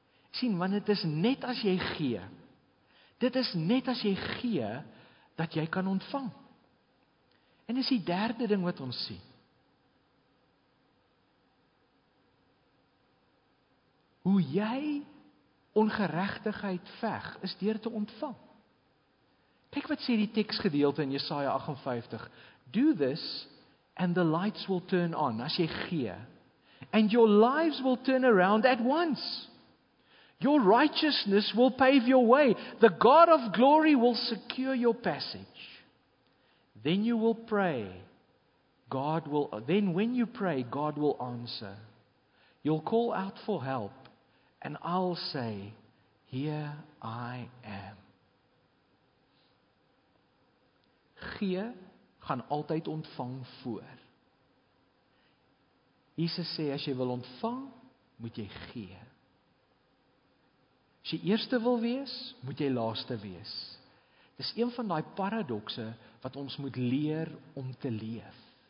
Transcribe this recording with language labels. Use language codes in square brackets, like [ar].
[af] Sien, want dit is net as jy gee, dat jy kan ontvang. En dis die derde ding wat ons sien. Hoe jy ongeregtigheid veg, is deur te ontvang. Kyk wat sê die teksgedeelte in Jesaja 58. [en] Do this, and the lights will turn on, [af] as jy gee, [en] and your lives will turn around at once. Your righteousness will pave your way. The God of glory will secure your passage. Then you will pray. When you pray, God will answer. You'll call out for help, and I'll say, Here I am. [af] Gee gaan altyd ontvang voor. Jesus sê, as jy wil ontvang, moet jy gee. As jy eerste wil wees, moet jy laaste wees. Dis een van die paradokse wat ons moet leer om te leef.